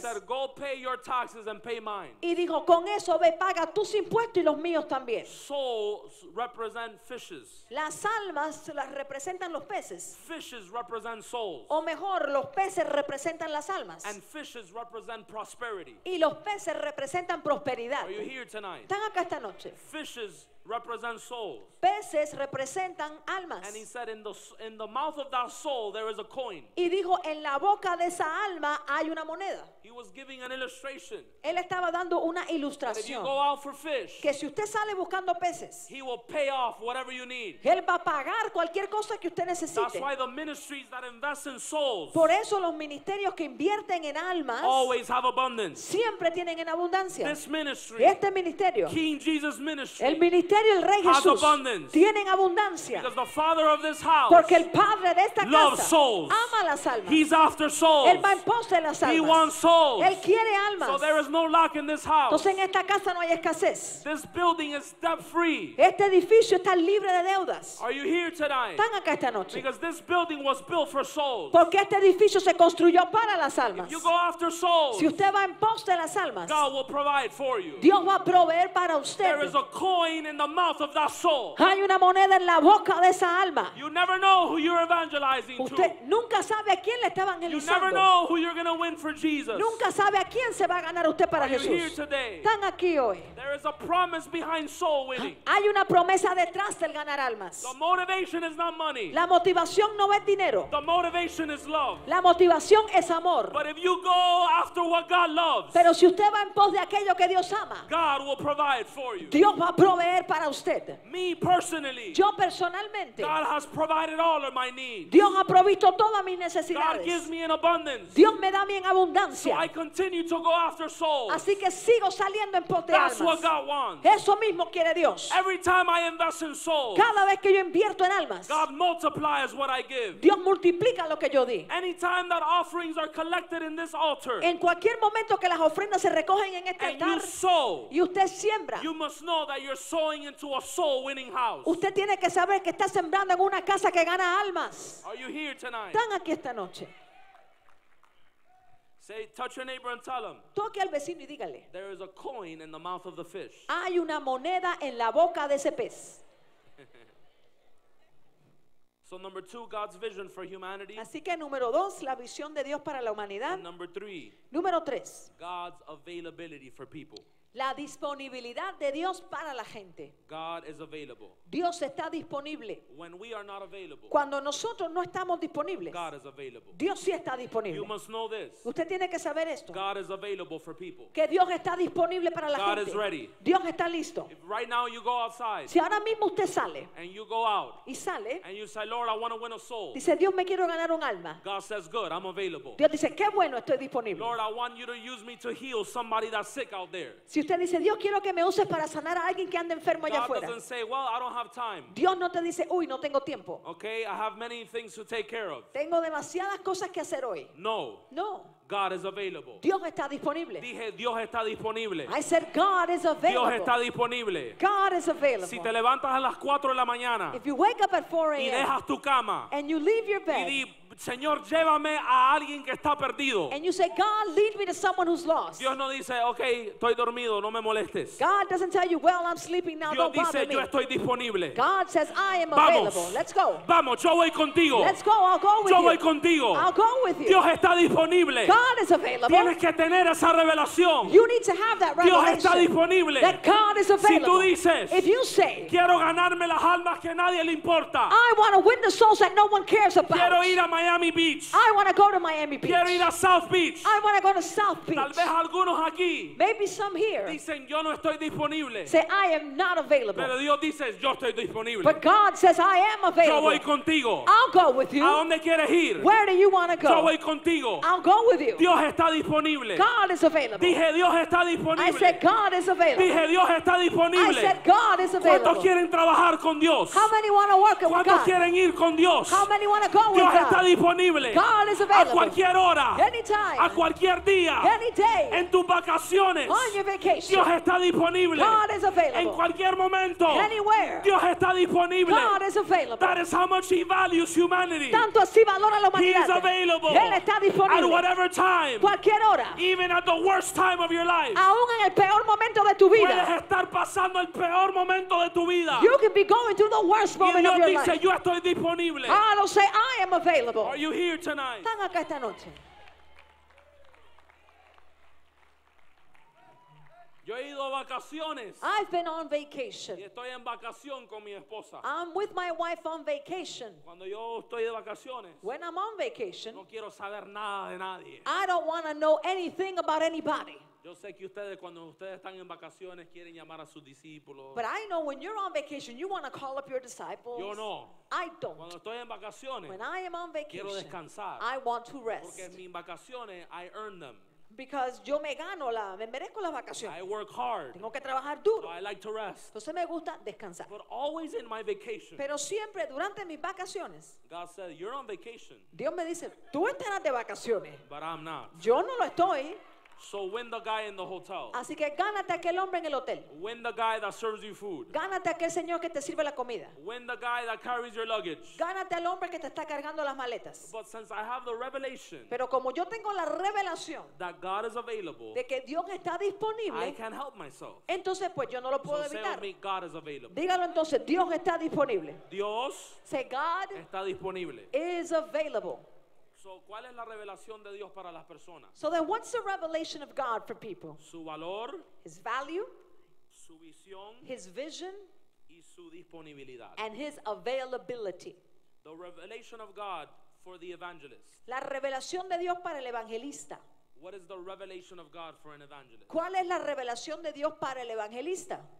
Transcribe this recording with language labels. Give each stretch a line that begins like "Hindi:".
English: He said, "Go pay your taxes and pay mine."
Spanish: Y dijo, con eso ve, paga tus impuestos y los míos también.
English: Souls represent fishes.
Spanish: Las almas las representan los peces.
English: Fishes represent souls.
Spanish: O mejor, los peces representan las almas.
English: And fishes represent prosperity.
Spanish: Y los peces representan prosperidad.
English: Are you here tonight?
Spanish: ¿Están acá esta noche?
English: Fishes represent souls.
Spanish: Peces representan almas.
English: And he said, in the mouth of that soul there is a coin.
Spanish: Y dijo, en la boca de esa alma hay una moneda.
English: He was giving an illustration.
Spanish: Él estaba dando una ilustración.
English: If you go out for fish,
Spanish: que si usted sale buscando peces,
English: he will pay off whatever you need.
Spanish: Él va a pagar cualquier cosa que usted necesite.
English: That's why the ministries that invest in souls,
Spanish: por eso los ministerios que invierten en almas,
English: always have abundance.
Spanish: Siempre tienen en abundancia.
English: This ministry,
Spanish: este ministerio,
English: King Jesus ministry,
Spanish: el ministerio del Rey Jesús,
English: has abundance.
Spanish: Tienen abundancia.
English: Because the father of this house,
Spanish: porque el padre de esta casa,
English: loves souls.
Spanish: Ama las almas.
English: He's after souls.
Spanish: Él va en pos de las almas.
English: He wants souls.
Spanish: Él quiere almas.
English: So there is no lack in this house.
Spanish: Entonces en esta casa no hay escasez.
English: This building is debt free.
Spanish: Este edificio está libre de deudas.
English: Are you here tonight?
Spanish: ¿Están acá esta noche?
English: Because this building was built for souls.
Spanish: Porque este edificio se construyó para las almas.
English: If you go after souls,
Spanish: si usted va en pos de las almas,
English: God will provide for you.
Spanish: Dios va a proveer para usted.
English: There is a coin in the mouth of that soul.
Spanish: Hay una moneda en la boca de esa alma.
English: You never know who you're evangelizing to.
Spanish: Usted nunca sabe a quién le está evangelizando.
English: You never know who you're going to win for Jesus.
Spanish: Nunca sabe a quién se va a ganar usted para Jesús. Están aquí hoy.
English: There is a promise behind soul winning.
Spanish: Hay una promesa detrás del ganar almas.
English: The motivation is not money.
Spanish: La motivación no es dinero.
English: The motivation is love.
Spanish: La motivación es amor.
English: But if you go after what God loves,
Spanish: pero si usted va en pos de aquello que Dios ama,
English: God will provide for you.
Spanish: Dios va a proveer para para usted.
English: Me personally.
Spanish: Yo personalmente.
English: God has provided all of my needs.
Spanish: Dios ha provisto todas mis necesidades.
English: God gives me in abundance.
Spanish: Dios me da bien abundancia.
English: So I continue to go after souls.
Spanish: Así que sigo saliendo en pos de almas.
English: That's what God wants.
Spanish: Eso mismo quiere Dios.
English: Every time I invest in souls.
Spanish: Cada vez que yo invierto en almas.
English: God multiplies what I give.
Spanish: Dios multiplica lo que yo di.
English: Anytime that offerings are collected in this altar.
Spanish: En cualquier momento que las ofrendas se recogen en este altar.
English: And you sow.
Spanish: Y usted siembra.
English: You must know that you're sowing into a soul-winning house.
Spanish: Usted tiene que saber que está sembrando en una casa que gana almas.
English: Are you here tonight?
Spanish: ¿Están aquí esta noche?
English: Say, touch your neighbor and tell him.
Spanish: Toque al vecino y dígale.
English: There is a coin in the mouth of the fish.
Spanish: Hay una moneda en la boca de ese pez.
English: So number two, God's vision for humanity.
Spanish: Así que número dos, la visión de Dios para la humanidad.
English: And number three.
Spanish: Número tres.
English: God's availability for people.
Spanish: La disponibilidad de Dios para la gente.
English: God is available.
Spanish: Dios está disponible.
English: When we are not available,
Spanish: cuando nosotros no estamos disponibles,
English: God is available.
Spanish: Dios sí está disponible.
English: You must know this.
Spanish: Usted tiene que saber esto.
English: God is available for people.
Spanish: Que Dios está disponible para la
English: God
Spanish: gente.
English: Is ready.
Spanish: Dios está listo.
English: If right now you go outside,
Spanish: si ahora mismo usted sale
English: and you go out,
Spanish: y sale
English: and you say, Lord, I want to win a soul,
Spanish: dice, Dios, me quiero ganar un alma.
English: God says, good, I'm available.
Spanish: Dios dice, qué bueno, estoy disponible.
English: Lord, I want you to use me to heal somebody that's sick out there.
Spanish: Si usted dice, Dios, quiero que me uses para sanar a alguien que anda enfermo allá afuera.
English: God doesn't say, well, I don't have time.
Spanish: Dios no te dice, uy, no tengo tiempo.
English: Okay, I have many things to take care of.
Spanish: Tengo demasiadas cosas que hacer hoy.
English: No.
Spanish: No.
English: God is available.
Spanish: Dios está disponible. Dije, Dios está disponible.
English: I said, God is available.
Spanish: Dios está disponible.
English: God is available.
Spanish: Si te levantas a las 4 de la mañana.
English: If you wake up at 4 a.m.
Spanish: Y dejas tu cama.
English: And you leave your bed.
Spanish: Y di, Señor, llévame a alguien que está perdido.
English: And you say, God, lead me to someone who's lost.
Spanish: Dios no dice, okay, estoy dormido, no me molestes.
English: God doesn't tell you, well, I'm sleeping now,
Spanish: Dios
English: don't
Spanish: dice,
English: bother me.
Spanish: Yo estoy disponible.
English: God says, I am available.
Spanish: Vamos.
English: Let's go.
Spanish: Vamos, yo voy contigo.
English: Let's go, I'll go with
Spanish: yo
English: you.
Spanish: Yo voy contigo.
English: I'll go with you.
Spanish: Dios está disponible.
English: God is available.
Spanish: Tienes que tener esa revelación.
English: You need to have that revelation.
Spanish: Dios está disponible.
English: That God is available.
Spanish: Si tú dices,
English: if you say,
Spanish: quiero ganarme las almas que nadie le importa.
English: I want to win the souls that no one cares about.
Spanish: Quiero ir a Miami Beach.
English: I want to go to Miami Beach.
Spanish: Quiero ir a South Beach.
English: I want to go to South Beach.
Spanish: Tal vez algunos aquí.
English: Maybe some here.
Spanish: Dicen, yo no estoy disponible.
English: Say, I am not available.
Spanish: Pero Dios dice, yo estoy disponible.
English: But God says, I am available.
Spanish: Yo voy contigo.
English: I'll go with you.
Spanish: ¿A dónde quieres ir?
English: Where do you want to go?
Spanish: Yo voy contigo.
English: I'll go with you.
Spanish: Dios está disponible.
English: God is available.
Spanish: Dije, Dios está disponible.
English: I said, God is available.
Spanish: Dije, Dios está disponible.
English: I said, God is available.
Spanish: ¿Cuántos quieren trabajar con Dios?
English: How many want to work with God?
Spanish: ¿Cuántos quieren ir con Dios?
English: How many want to go with
Spanish: Dios
English: God?
Spanish: Está disponible.
English: God is available.
Spanish: A cualquier hora.
English: Anytime.
Spanish: A cualquier día.
English: Any day.
Spanish: En tus vacaciones.
English: On your vacation.
Spanish: Dios está disponible.
English: God is available.
Spanish: En cualquier momento.
English: Anywhere.
Spanish: Dios está disponible.
English: God is available. That is how much he values humanity.
Spanish: Tanto así valora la humanidad.
English: He is available.
Spanish: Él está disponible.
English: At whatever time.
Spanish: Cualquier hora.
English: Even at the worst time of your life.
Spanish: Aún en el peor momento de tu vida. Puedes estar pasando el peor momento de tu vida.
English: You can be going through the worst moment of your
Spanish: dice,
English: life.
Spanish: Y Dios dice, yo estoy disponible.
English: I don't say, I am available. Are you here tonight?
Spanish: ¿Están acá esta noche? Yo he ido a vacaciones.
English: I've been on vacation.
Spanish: Y estoy en vacación con mi esposa.
English: I'm with my wife on vacation.
Spanish: Cuando yo estoy de vacaciones.
English: When I'm on vacation.
Spanish: No quiero saber nada de nadie.
English: I don't want to know anything about anybody.
Spanish: Yo sé que ustedes cuando ustedes están en vacaciones quieren llamar a sus discípulos.
English: But I know when you're on vacation you want to call up your disciples.
Spanish: Yo no.
English: I don't.
Spanish: Cuando estoy en vacaciones.
English: When I am on vacation.
Spanish: Quiero descansar.
English: I want to rest.
Spanish: Porque en mis vacaciones
English: I earn them. Because
Spanish: yo me gano la, me merezco las vacaciones.
English: I work hard.
Spanish: Tengo que trabajar duro.
English: So I like to rest.
Spanish: Entonces me gusta descansar.
English: But always in my vacation.
Spanish: Pero siempre durante mis vacaciones.
English: God said, you're on vacation.
Spanish: Dios me dice, tú estarás de vacaciones.
English: But I'm not.
Spanish: Yo no lo estoy.
English: So win the guy in the hotel.
Spanish: Así que gánate aquel hombre en el hotel.
English: Win the guy that serves you food.
Spanish: Gánate aquel señor que te sirve la comida.
English: Win the guy that carries your luggage.
Spanish: Gánate al hombre que te está cargando las maletas.
English: But since I have the revelation.
Spanish: Pero como yo tengo la revelación.
English: That God is available.
Spanish: De que Dios está disponible.
English: I can't help myself.
Spanish: Entonces pues yo no lo puedo
English: so
Spanish: evitar.
English: Say with me, God is available.
Spanish: Dígalo entonces, Dios está disponible. Dios.
English: Say God.
Spanish: Está disponible.
English: Is available.
Spanish: ¿Cuál es la revelación de Dios para las personas?
English: So then what's the revelation of God for people?
Spanish: Su valor,
English: his value,
Spanish: su visión,
English: his vision,
Spanish: y su disponibilidad,
English: and his availability. The revelation of God for the evangelist.
Spanish: La revelación de Dios para el evangelista.
English: What is the revelation of God for an evangelist?
Spanish: ¿Cuál es la revelación de Dios para el evangelista?